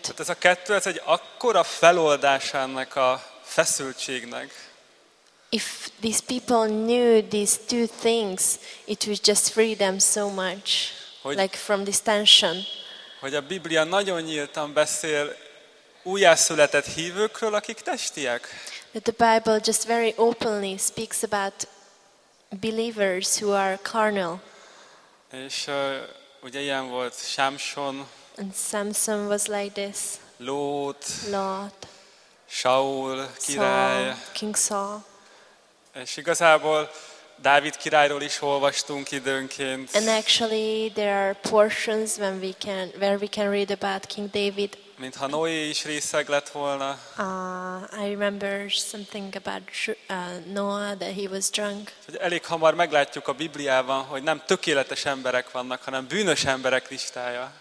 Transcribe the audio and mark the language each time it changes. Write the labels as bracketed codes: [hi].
[hu] Tehát ez a kettő, ez egy akkora feloldás ennek a feszültségnek. [en] If these people knew these two things, it would just free them so much, hogy, like from this tension. [hu] Hogy a Biblia nagyon nyíltan beszél újjászületett hívőkről, akik testiek. [en] That the Bible just very openly speaks about believers who are carnal. [hu] És ugye ilyen volt Samson. [en] And Samson was like this. [hu] Lot. Saul király. [en] Saul, King Saul. [hu] És igazából Dávid királyról is olvastunk időnként. [en] And actually there are portions when we can read about King David. [hu] Mintha Noé is részeg lett volna. [en] I remember something about Noah that he was drunk. [hu] Elég hamar meglátjuk a Bibliában, hogy nem tökéletes emberek vannak, hanem bűnös emberek listája.